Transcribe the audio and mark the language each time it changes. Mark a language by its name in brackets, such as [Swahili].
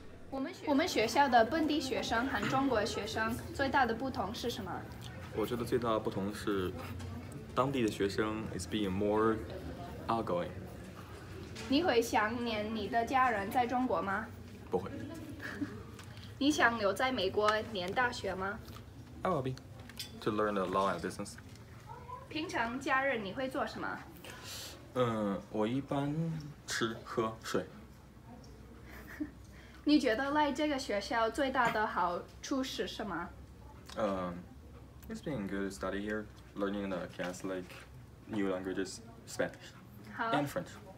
[Chinese] 我们学校的本地学生和中国学生最大的不同是什么？我觉得最大的不同是，当地的学生 [English] is being more outgoing。 [Chinese] 你会想念你的家人在中国吗？不会。你想留在美国念大学吗 [English] ？I will be to learn the law and business。 [Chinese] 平常假日你会做什么？我一般吃喝睡。你觉得来这个学校最大的好处是什么？ [English] It's been good study here, learning the kinds like new languages, Spanish and French.